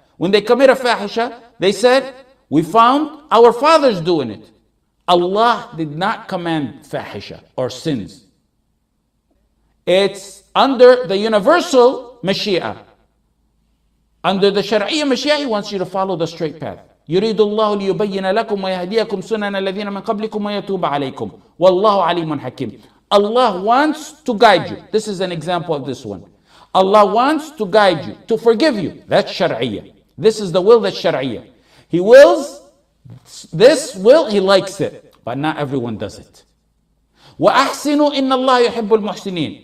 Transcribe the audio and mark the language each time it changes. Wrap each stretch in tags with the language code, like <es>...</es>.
<en>When they commit a fahisha, they said, we found our fathers doing it. Allah did not command fahisha or sins. It's under the universal Mashiach. Under the Shari'iyah Mashiach, he wants you to follow the straight path.</en> <ar>يريد الله ليبين لكم ويهديكم سنن الذين من قبلكم ويتوب عليكم والله عليم حكيم.</ar> <en>Allah wants to guide you. This is an example of this one. Allah wants to guide you, to forgive you. That's Shari'iyah. This is the will that Shari'iyah. He wills, this will, he likes it. But not everyone does it.</en> <ar>وَأَحْسِنُوا إِنَّ اللَّهَ يُحِبُّ الْمُحْسِنِينَ.</ar>